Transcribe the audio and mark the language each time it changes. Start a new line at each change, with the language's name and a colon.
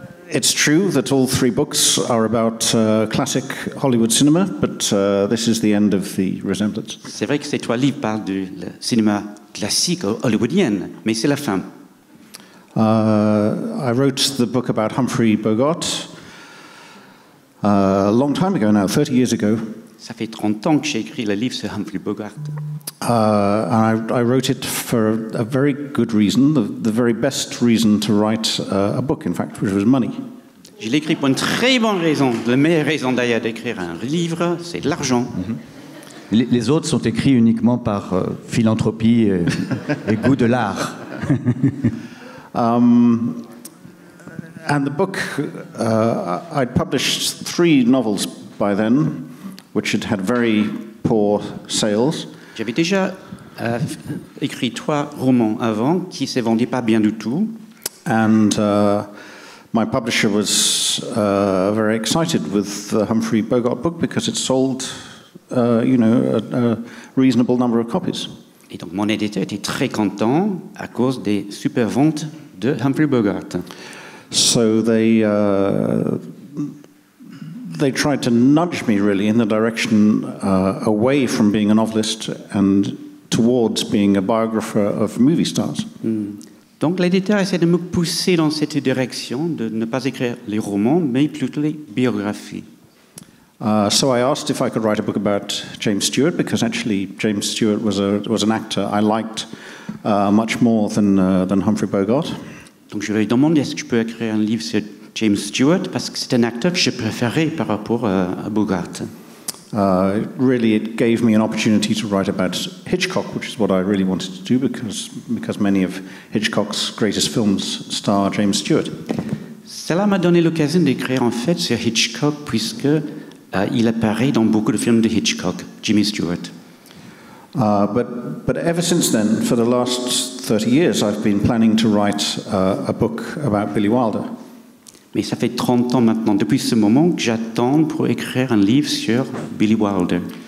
English: It's true that all three books are about classic Hollywood cinema, but this is the end of the resemblance.
French: C'est vrai que ces trois livres parlent du cinéma classique hollywoodienne, mais c'est la fin.
English: I wrote the book about Humphrey Bogart. A long time ago now, 30 years ago.
French: Ça fait 30 ans que j'ai écrit le livre sur Humphrey Bogart.
English: And I wrote it for a very good reason, the very best reason to write a book, in fact, which was money.
French: Je l'ai écrit pour une très bonne raison, la meilleure raison d'ailleurs d'écrire un livre, c'est de l'argent. Mm-hmm. Les autres sont écrits uniquement par philanthropie et goût de l'art.
English: And the book, I'd published three novels by then, which had had very poor sales.
French: J'avais déjà écrit trois romans avant qui se vendaient pas bien du tout.
English: And my publisher was very excited with the Humphrey Bogart book because it sold, a reasonable number of copies.
French: Et donc mon éditeur était très content à cause des super ventes de Humphrey Bogart.
English: So they tried to nudge me really in the direction away from being a novelist and towards being a biographer of movie stars.
French: Donc l'éditeur essaie de me pousser dans cette direction de ne pas écrire les romans mais plutôt les biographies.
English: So I asked if I could write a book about James Stewart because actually James Stewart was an actor I liked much more than Humphrey Bogart.
French: Donc je lui ai demandé est-ce que je peux écrire un livre sur James Stewart parce que c'est un acteur que je préférais par rapport à Bogart.
English: Really, it gave me an opportunity to write about Hitchcock, which is what I really wanted to do because many of Hitchcock's greatest films star James Stewart.
French: Cela m'a donné l'occasion d'écrire en fait sur Hitchcock puisque il apparaît dans beaucoup de films de Hitchcock, Jimmy Stewart.
English: But ever since then, for the last 30 years, I've been planning to write a book about Billy Wilder.
French: Mais ça fait 30 ans maintenant, depuis ce moment, que j'attends pour écrire un livre sur Billy Wilder.